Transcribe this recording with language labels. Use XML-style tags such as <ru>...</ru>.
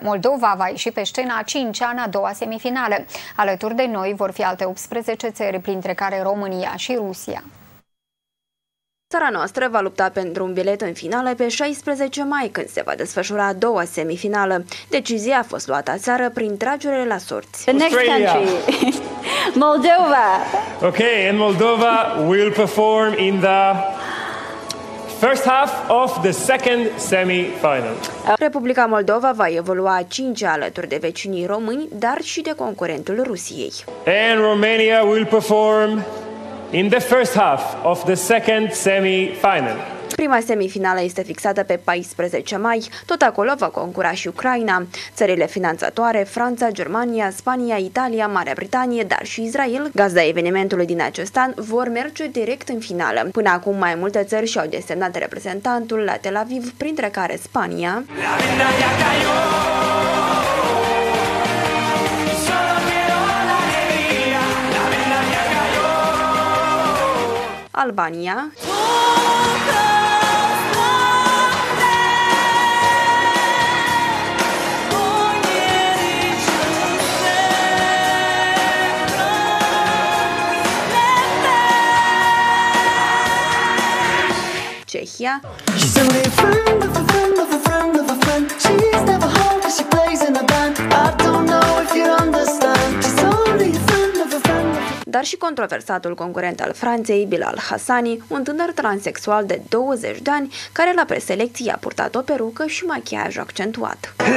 <ro>Moldova va ieși pe scena a 5-a, în a doua semifinală. Alături de noi vor fi alte 18 țări, printre care România și Rusia. Țara noastră va lupta pentru un bilet în finală pe 16 mai, când se va desfășura a doua semifinală. Decizia a fost luată aseară prin tragere la sorți.</ro> <en>The next country. Moldova. Okay, and Moldova will perform in the first half of the second semi-final.</en> <ro>Republica Moldova va evolua a cincea alături de vecinii români, dar și de concurentul Rusiei.</ro> <en>And Romania will perform in the first half of the second semi-final.</en> <ro>Prima semifinală este fixată pe 14 mai. Tot acolo va concura și Ucraina. Țările finanțatoare, Franța, Germania, Spania, Italia, Marea Britanie, dar și Israel, gazda evenimentului din acest an, vor merge direct în finală. Până acum, mai multe țări și-au desemnat reprezentantul la Tel Aviv, printre care Spania.</ro> <en>Albania, Czechia. She's only a friend of a friend of a friend of a friend. She's never home, but she plays in a band. I don't know if you understand. She's only a friend of a friend.</en> <ro>Dar și controversatul concurent al Franței, Bilal Hassani, un tânăr transexual de 20 de ani, care la preselecție a purtat o perucă și machiaj accentuat.</ro>